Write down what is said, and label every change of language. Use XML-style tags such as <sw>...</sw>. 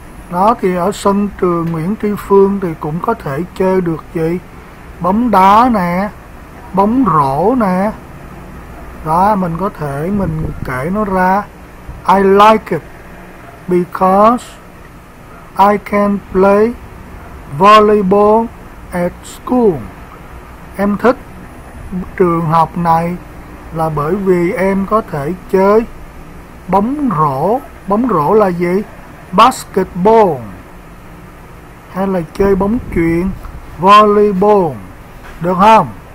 <vi>Đó thì ở sân trường Nguyễn Tri Phương thì cũng có thể chơi được gì? Bóng đá nè, bóng rổ nè. Đó, mình có thể mình kể nó ra.</vi> <en>I like it because I can play volleyball at school.</en> <vi>Em thích trường học này là bởi vì em có thể chơi bóng rổ. Bóng rổ là gì? Basketball. Hay là chơi bóng chuyền, volleyball. Được không?</vi>